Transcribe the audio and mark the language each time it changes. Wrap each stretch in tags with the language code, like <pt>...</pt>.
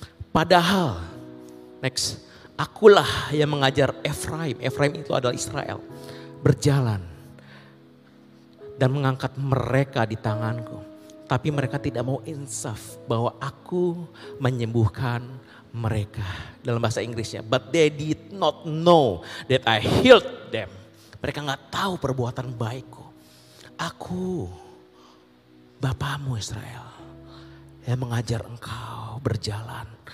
<id>Padahal, next. Akulah yang mengajar Efraim. Efraim itu adalah Israel. Berjalan. Dan mengangkat mereka di tanganku. Tapi mereka tidak mau insaf bahwa aku menyembuhkan mereka. Dalam bahasa Inggrisnya.</id> <en>But they did not know that I healed them.</en> <id>Mereka gak tahu perbuatan baikku. Aku, Bapamu Israel, yang mengajar engkau berjalan.</id>